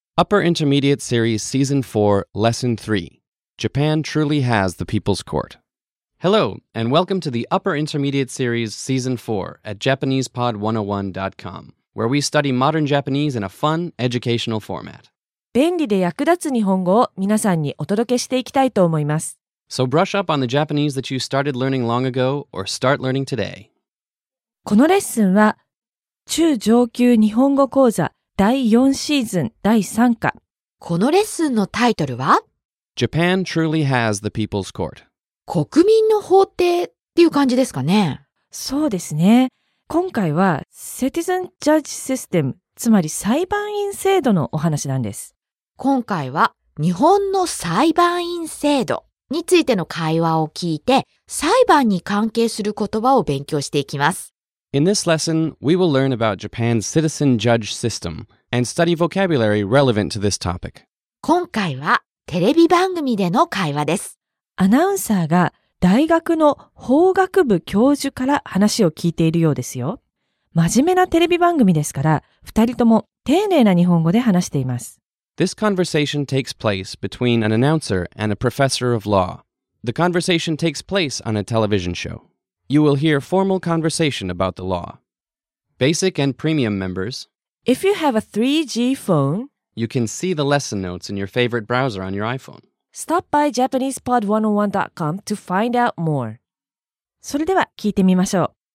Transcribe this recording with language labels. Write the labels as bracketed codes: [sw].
[en] Upper Intermediate Series Season 4 Lesson 3 Japan Truly Has the People's Court. Hello and welcome to the Upper Intermediate Series Season 4 at JapanesePod101.com, where we study modern Japanese in a fun, educational format. [ja] 便利で役立つ日本語を皆さんにお届けしていきたいと思います。 [en] So brush up on the Japanese that you started learning long ago or start learning today. [ja] このレッスンは中上級日本語講座第4シーズン第3課。このレッスンのタイトルは [en] Japan truly has the People's Court. [ja] 国民の法廷っていう感じですかね。そうですね。今回は Citizen Judge System、 つまり裁判員制度のお話なんです。今回は日本の裁判員制度についての会話を聞いて、裁判に関係する言葉を勉強していきます。 [en] In this lesson, we will learn about Japan's citizen judge system and study vocabulary relevant to this topic. [ja] 今回はテレビ番組での会話です。アナウンサーが大学の法学部教授から話を聞いているようですよ。真面目なテレビ番組ですから、二人とも丁寧な日本語で話しています。 [en] This conversation takes place between an announcer and a professor of law. The conversation takes place on a television show. You will hear formal conversation about the law. Basic and premium members. If you have a 3G phone, you can see the lesson notes in your favorite browser on your iPhone. Stop by JapanesePod101.com to find out more. [ja] それでは聞いてみましょう。